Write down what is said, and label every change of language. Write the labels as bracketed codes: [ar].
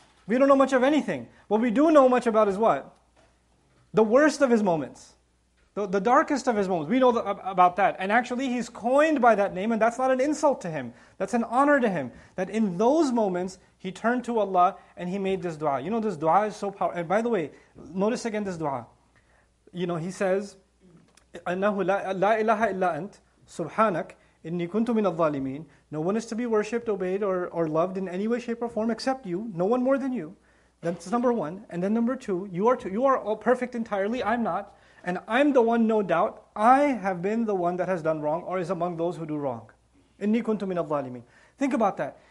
[en] We don't know much of anything. What we do know much about is what? The worst of his moments. The darkest of his moments. We know about that. And actually he's coined by that name, and that's not an insult to him. That's an honor to him. That in those moments, he turned to Allah and he made this dua. You know, this dua is so powerful. And by the way, notice again this dua. You know, he says, [ar] أَنَّهُ لَا إِلَهَ إِلَّا أَنْتْ سُبْحَانَكْ إِنِّي كُنْتُ مِنَ الظَّالِمِينَ. [en] No one is to be worshipped, obeyed, or loved in any way, shape, or form except you. No one more than you. That's number one. And then number two, you are all perfect entirely, I'm not. And I'm the one, no doubt, I have been the one that has done wrong or is among those who do wrong. [ar] إِنِّي كُنْتُ مِنَ الظَّالِمِينَ. [en] Think about that.